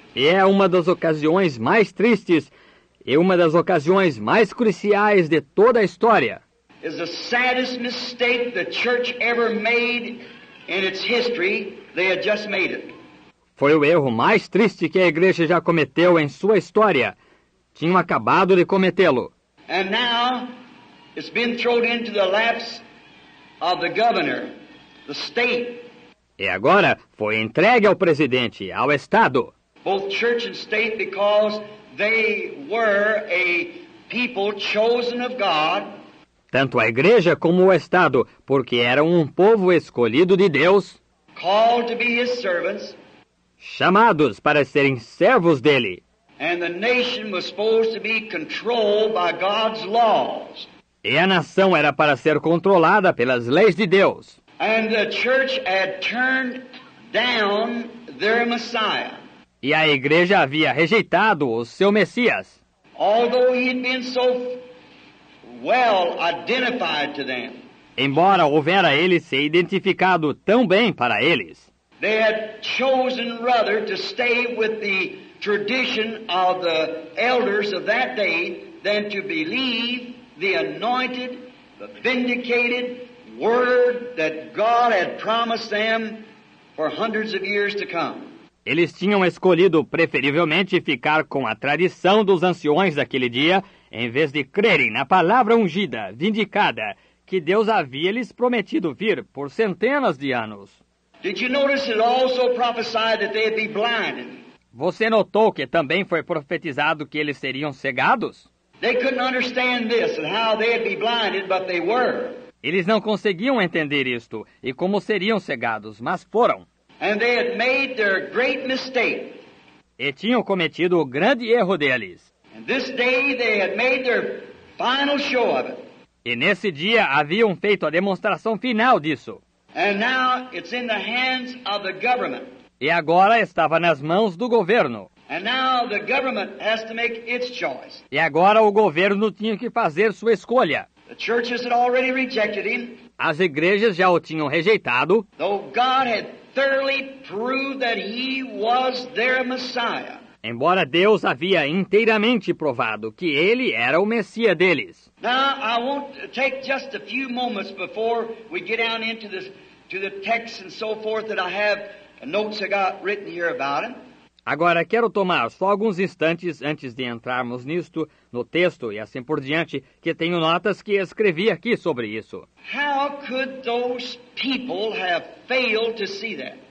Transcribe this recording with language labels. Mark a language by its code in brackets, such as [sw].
[pt] E é uma das ocasiões mais tristes e uma das ocasiões mais cruciais de toda a história. [en] Is the saddest mistake the church ever made in its history. They had just made it. [pt] Foi o erro mais triste que a igreja já cometeu em sua história. Tinham acabado de cometê-lo. [en] And now it's been thrown into the laps of the governor, the state. [pt] E agora foi entregue ao presidente, ao estado. [en] Both church and state, because they were a people chosen of God. [pt] Tanto a igreja como o estado, porque eram um povo escolhido de Deus. [en] Called to be his servants, [pt] chamados para serem servos dele. [en] And the nation was supposed to be controlled by God's laws. [pt] E a nação era para ser controlada pelas leis de Deus. [en] And the church had turned down their Messiah. [pt] E a igreja havia rejeitado o seu Messias. [en] Although he had been so well identified to them. [pt] Embora houvera ele se identificado tão bem para eles, [en] they had chosen rather to stay with the tradition of the elders of that day than to believe the anointed, the vindicated word that God had promised them for hundreds of years to come. [pt] Eles tinham escolhido preferivelmente ficar com a tradição dos anciões daquele dia, em vez de crerem na palavra ungida, vindicada, que Deus havia lhes prometido vir por centenas de anos. [en] Did you notice it also prophesied that they'd be blind? [pt] Você notou que também foi profetizado que eles seriam cegados? [en] They couldn't understand this and how they'd be blinded, but they were. [pt] Eles não conseguiam entender isto e como seriam cegados, mas foram. [en] And they had made their great mistake. [pt] E tinham cometido o grande erro deles. [en] And this day they had made their final show of it. [pt] E nesse dia haviam feito a demonstração final disso. [en] And now it's in the hands of the government. [pt] E agora estava nas mãos do governo. [en] And now the government has to make its choice. [pt] E agora o governo tinha que fazer sua escolha. [en] The churches had already rejected him. [pt] As igrejas já o tinham rejeitado. [en] Though God had thoroughly proved that he was their Messiah. [pt] Embora Deus havia inteiramente provado que ele era o Messias deles. [en] Now, I won't take just a few moments before we get down into this, to the text and so forth that I have notes I got written here about him. [pt] Agora, quero tomar só alguns instantes antes de entrarmos nisto, no texto e assim por diante, que tenho notas que escrevi aqui sobre isso. [en] How could those people have failed to see that?